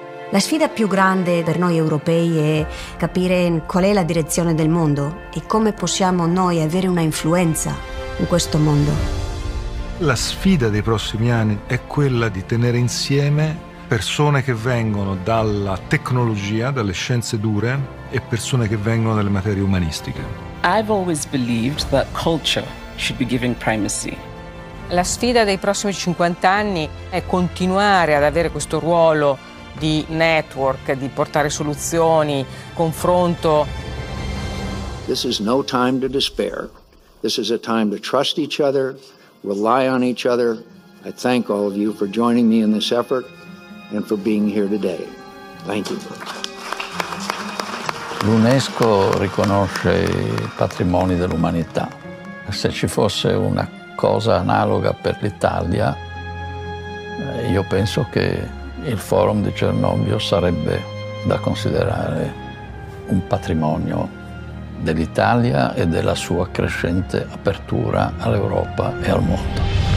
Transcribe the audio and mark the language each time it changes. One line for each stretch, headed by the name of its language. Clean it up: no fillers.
Italian: La sfida più grande per noi europei è capire qual è la direzione del mondo e come possiamo noi avere una influenza in questo mondo. La sfida dei prossimi anni è quella di tenere insieme persone che vengono dalla tecnologia, dalle scienze dure, e persone che vengono dalle materie umanistiche.
English: I've always believed that culture should be given primacy.
Italian: La sfida dei prossimi 50 anni è continuare ad avere questo ruolo di network, di portare soluzioni, confronto.
English: This is no time to despair. This is a time to trust each other, rely on each other. I thank all of you for joining me in this effort and for being here today. Thank you.
Italian: L'UNESCO riconosce i patrimoni dell'umanità. Se ci fosse una cosa analoga per l'Italia, io penso che il Forum di Chernobyl sarebbe da considerare un patrimonio dell'Italia e della sua crescente apertura all'Europa e al mondo.